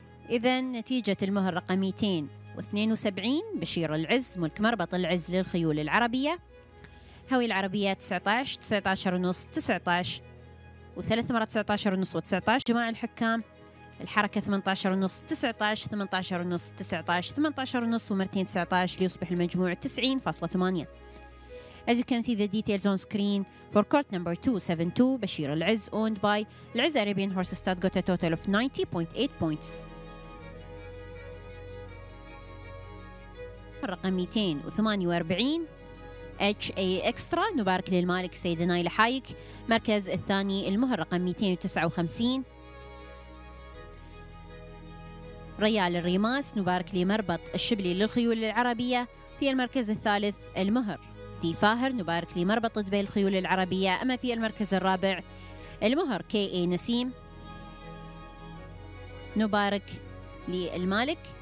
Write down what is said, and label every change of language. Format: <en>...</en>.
<ar>إذن نتيجة المهر رقم 272 بشير العز ملك مربط العز للخيول العربية، هوي العربية 19 19.5 19 و3 مرات 19.5 و19، جماعة الحكام الحركة 18.5 19 18.5 19 18.5 ومرتين 19 ليصبح المجموع 90.8.</ar> <en>As you can see the details on screen for court number 272 بشير العز owned by العز Arabian Horse Stud got a total of 90.8 points.</en> <ar>رقم 248 HA Extra نبارك للمالك سيد نايل حايك، مركز الثاني المهر رقم 259 ريال الريماس نبارك لمربط الشبلي للخيول العربية، في المركز الثالث المهر دي فاهر نبارك لمربط دبي الخيول العربية، أما في المركز الرابع المهر KA نسيم نبارك للمالك</ar>